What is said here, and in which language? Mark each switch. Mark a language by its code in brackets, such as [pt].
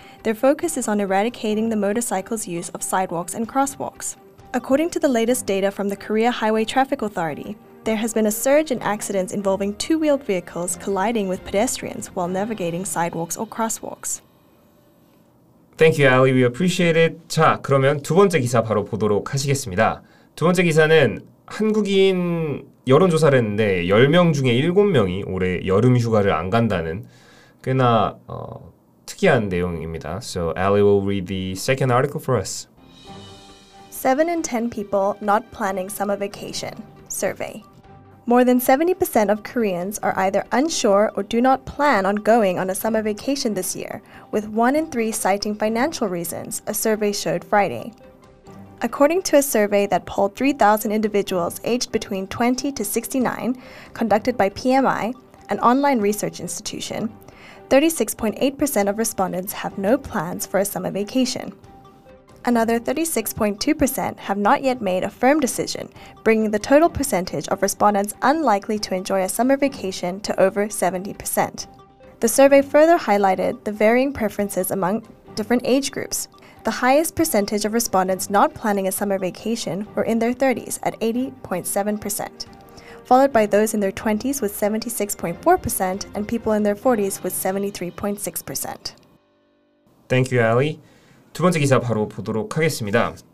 [en] Their focus is on eradicating the motorcycles' use of sidewalks and crosswalks. According to the latest data from the Korea Highway Traffic Authority, there has been a surge in accidents involving two-wheeled vehicles colliding with pedestrians while navigating sidewalks or crosswalks. Thank you, Ali. We appreciate it. [ko] 자, 그러면 두 번째 기사 바로 보도록 하시겠습니다. 두 번째 기사는 한국인 여론조사를 했는데 10명 중에 7명이 올해 여름 휴가를 안 간다는 꽤나 특이한 내용입니다. [en] So, Ali will read the second article for us. 7 in 10 people not planning summer vacation. Survey. More than 70% of Koreans are either unsure or do not plan on going on a summer vacation this year, with 1 in 3 citing financial reasons, a survey showed Friday. According to a survey that polled 3,000 individuals aged between 20 to 69, conducted by PMI, an online research institution, 36.8% of respondents have no plans for a summer vacation. Another 36.2% have not yet made a firm decision, bringing the total percentage of respondents unlikely to enjoy a summer vacation to over 70%. The survey further highlighted the varying preferences among different age groups. The highest percentage of respondents not planning a summer vacation were in their 30s at 80.7%, followed by those in their 20s with 76.4% and people in their 40s with 73.6%. Thank you, Ali. [ko] 두 번째 기사 바로 보도록 하겠습니다.